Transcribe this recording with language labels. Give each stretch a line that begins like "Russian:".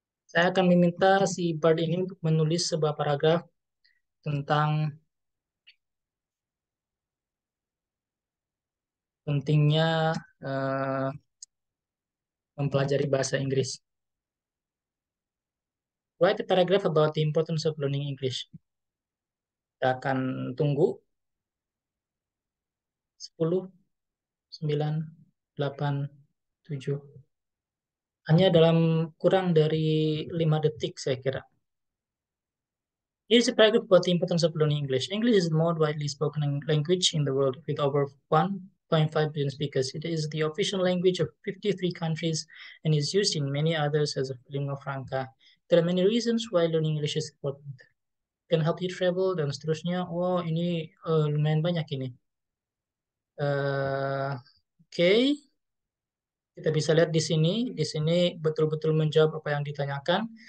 Indonesian: Saya akan meminta si Bard ini untuk menulis sebuah paragraf tentang pentingnya mempelajari bahasa Inggris.
English: Write a paragraph about the importance of learning English.
Indonesian: Kita akan tunggu. 10, 9, 8, 7. Hanya dalam kurang dari 5 detik, saya kira.
English: Here's a paragraph about the importance of learning English. English is the most widely spoken language in the world, with over 1.5 billion speakers. It is the official language of 53 countries and is used in many others as a lingua franca. There are many reasons why learning English is important. It can help you travel,
Indonesian: dan seterusnya. Oh, ini lumayan banyak ini. Okay. Kita bisa lihat di sini betul-betul menjawab apa yang ditanyakan.